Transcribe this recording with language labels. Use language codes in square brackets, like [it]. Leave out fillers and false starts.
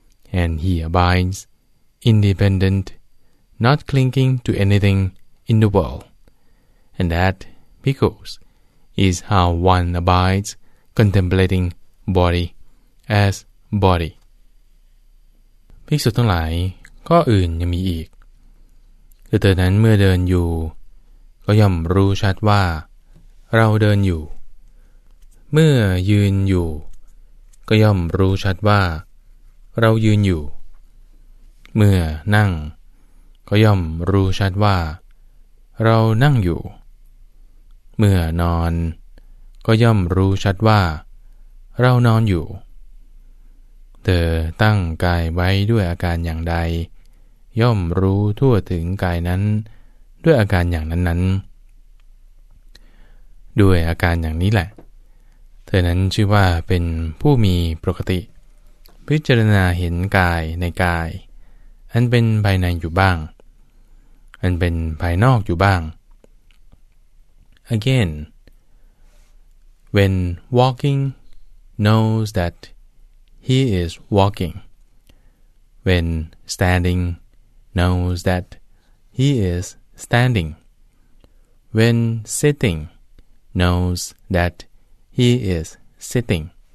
[en] And he abides independent, not clinging to anything in the world. And that, because, is how one abides contemplating body as body. [th] ภิกษุทั้งหลายข้ออื่นยังมีอีกคือเธอนั้นเมื่อเดินอยู่ก็ย่อมรู้ชัดว่าเราเดินอยู่เมื่อยืนอยู่ก็ย่อมรู้ชัดว่าเรายืนอยู่เมื่อนั่งก็ย่อมรู้ชัดว่าเรานั่งอยู่เมื่อนอนก็ย่อมรู้ชัดว่าเรานอนอยู่ เธอตั้งกายไว้ด้วยอาการอย่างใดย่อมรู้ทั่วถึงกายนั้นด้วยอาการอย่างนั้น ด้วยอาการอย่างนี้แหละเธอนั้นชื่อว่าเป็นผู้มีปกติพิจารณาเห็นกายในกายอันเป็นภายในอยู่บ้างอันเป็นภายนอกอยู่บ้าง [en] Again, when walking, knows that he is walking. When standing, knows that he is standing. When sitting, knows thatHe is sitting.